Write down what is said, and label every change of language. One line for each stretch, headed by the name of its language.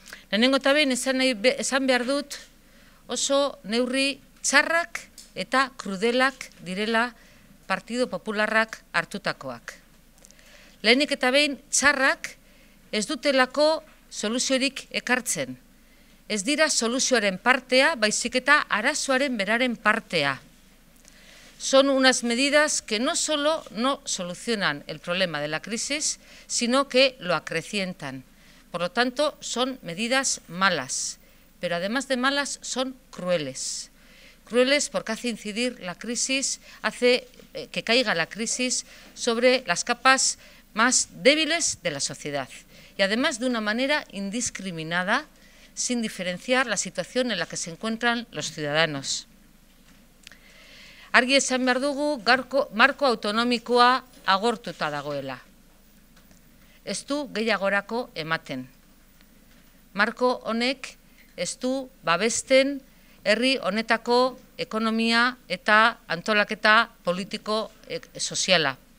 Basque: Lehenengo eta behin esan behar dut oso neurri txarrak eta krudelak direla Partidu Popularrak hartutakoak. Lehenik eta behin txarrak ez dutelako soluziorik ekartzen. Ez dira soluzioaren partea, baizik eta arazoaren beraren partea.
Spanish: Son unas medidas que no solo no solucionan el problema de la crisis, sino que lo acrecientan. Por lo tanto, son medidas malas, pero además de malas, son crueles. Crueles porque hace incidir la crisis, hace que caiga la crisis sobre las capas más débiles de la sociedad. Y además de una manera indiscriminada, sin diferenciar la situación en la que se encuentran los ciudadanos.
Basque: Argi esan behar dugu, marko autonomikoa agortuta dagoela. Ez du gehiagorako ematen. Marko honek ez du babesten herri honetako ekonomia eta antolaketa politiko-soziala.